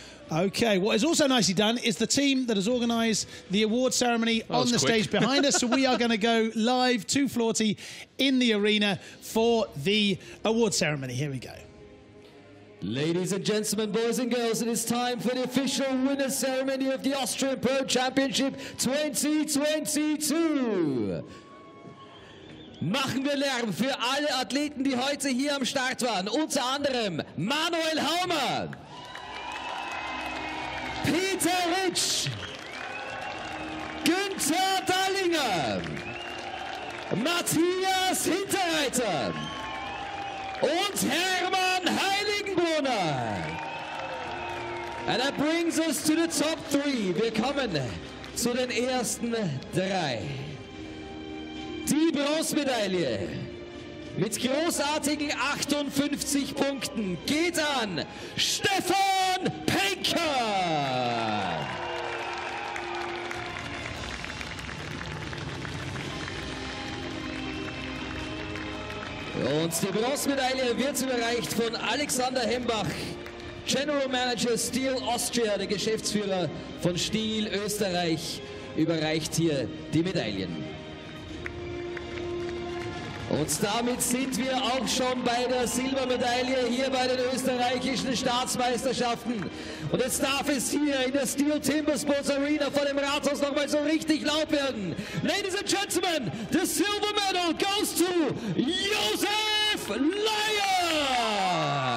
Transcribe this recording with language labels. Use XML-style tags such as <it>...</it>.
<en>Okay, what is also nicely done is the team that has organized the award ceremony on the stage behind us. So we are going to go live to Florty in the arena for the award ceremony. Here we go. Ladies and gentlemen, boys and girls, it is time for the official winner ceremony of the Austrian Pro Championship 2022.</en> <de>Machen wir Lärm für alle Athleten, die heute hier am Start waren. Unter anderem Manuel Haumann, Peter Ritsch, Günther Dallinger, Matthias Hinterreiter und Hermann Heiligenbrunner.</de> <en>And that brings us to the top three.</en> <de>Wir kommen zu den ersten drei. Die Bronzemedaille mit großartigen 58 Punkten geht an Stefan Pinker. Und die Bronzemedaille wird überreicht von Alexander Hembach, General Manager STIHL Austria, der Geschäftsführer von STIHL Österreich, überreicht hier die Medaillen. Und damit sind wir auch schon bei der Silbermedaille hier bei den österreichischen Staatsmeisterschaften. Und jetzt darf es hier in der STIHL Timbersports Arena vor dem Rathaus nochmal so richtig laut werden.</de> <en>Ladies and Gentlemen, the silver medal goes to Josef Laia!</en>